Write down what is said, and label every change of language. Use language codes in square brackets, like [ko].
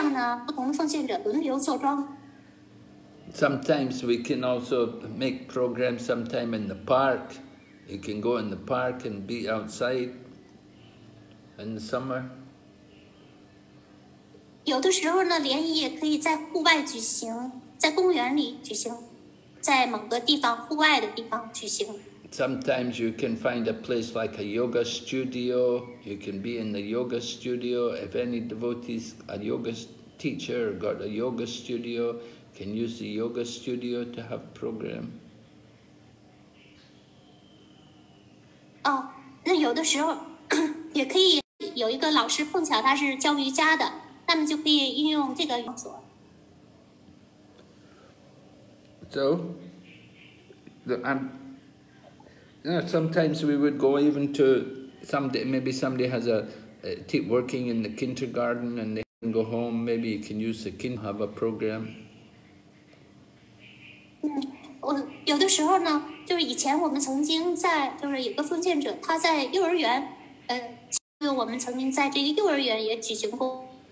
[zh] 啊，对，关于联谊，应该是哪个形式的话，你就应该采取必要的联系措施。那么可以在就是房子里联谊，但是不是每次都在同一家联谊，就一个月在这家联谊，下一个月在另一个奉献者家里联谊，这样呢，不同的奉献者轮流坐庄。 [en] Sometimes we can also make programs sometime in the park. You can go in the park and be outside in the summer. [zh] 有的时候呢，联谊也可以在户外举行，在公园里举行，在某个地方户外的地方举行。 [en] Sometimes you can find a place like a yoga studio. You can be in the yoga studio. If any devotees, a yoga teacher got a yoga studio, can use the yoga studio to have program. [zh] Oh, 那有的时候也可以有一个老师碰巧他是教瑜伽的，那么就可以运用这个场所。 [en] So, sometimes we would go even to somebody. Maybe somebody has a working in the kindergarten, and they can go home. Maybe you can use the kin have a program. [zh] 有的时候呢，就是以前我们曾经在，就是有个奉献者，他在幼儿园，我们曾经在这个幼儿园也举行过。